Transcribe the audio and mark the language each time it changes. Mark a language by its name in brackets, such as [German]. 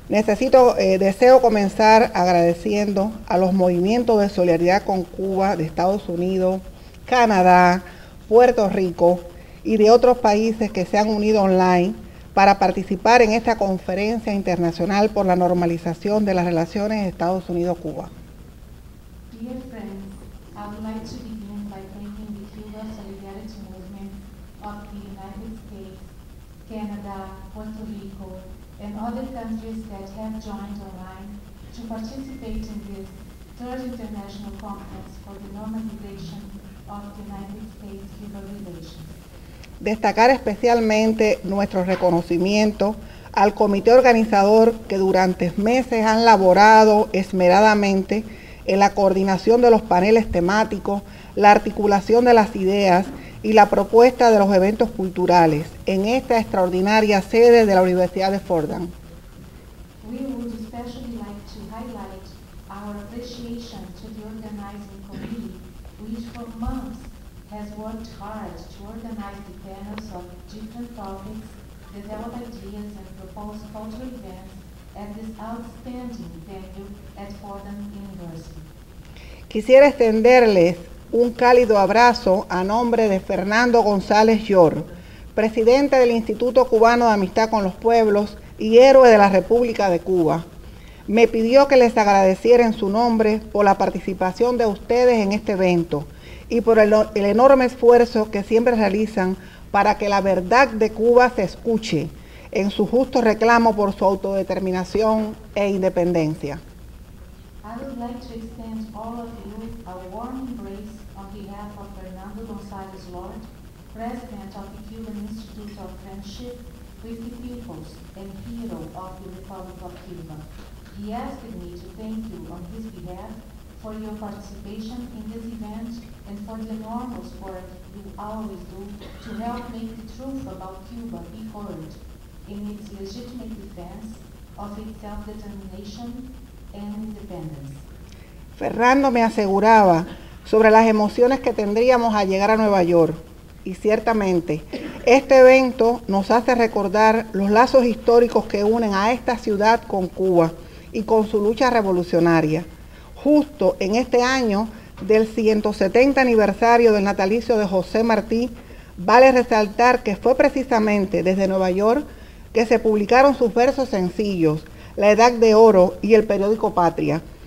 [Spanish] Deseo comenzar agradeciendo a los movimientos de solidaridad con Cuba, de Estados Unidos, Canadá, Puerto Rico y de otros países que se han unido online para participar en esta conferencia internacional por la normalización de las relaciones de Estados Unidos-Cuba. [English] Dear friends, I would like to begin by thanking the Cuba Solidarity Movement of the United States, Canada, Puerto Rico, and other countries that have joined online to participate in this third international conference for the normalization of the United States-Cuba relations. [Spanish] Destacar especialmente nuestro reconocimiento al comité organizador que durante meses han laborado esmeradamente en la coordinación de los paneles temáticos, la articulación de las ideas y la propuesta de los eventos culturales en esta extraordinaria sede de la Universidad de Fordham. [English] We would especially like to highlight our appreciation to the organizing committee, which for months has worked hard to organize the panels of different topics, develop ideas, and propose cultural events at this outstanding venue at Fordham University. [Spanish] Quisiera extenderles un cálido abrazo a nombre de Fernando González Llor, presidente del Instituto Cubano de Amistad con los Pueblos y héroe de la República de Cuba. Me pidió que les agradeciera en su nombre por la participación de ustedes en este evento y por el enorme esfuerzo que siempre realizan para que la verdad de Cuba se escuche en su justo reclamo por su autodeterminación e independencia. [English] I would like to extend all of you a warm embrace on behalf of Fernando González Lord, President of the Cuban Institute of Friendship with the Peoples and hero of the Republic of Cuba. He asked me to thank you on his behalf for your participation in this event and for the enormous work you always do to help make the truth about Cuba be heard in its legitimate defense of its self-determination and independence. [Spanish] Fernando me aseguraba sobre las emociones que tendríamos al llegar a Nueva York. Y ciertamente, este evento nos hace recordar los lazos históricos que unen a esta ciudad con Cuba y con su lucha revolucionaria. Justo en este año del 170 aniversario del natalicio de José Martí, vale resaltar que fue precisamente desde Nueva York que se publicaron sus versos sencillos, La Edad de Oro y el periódico Patria.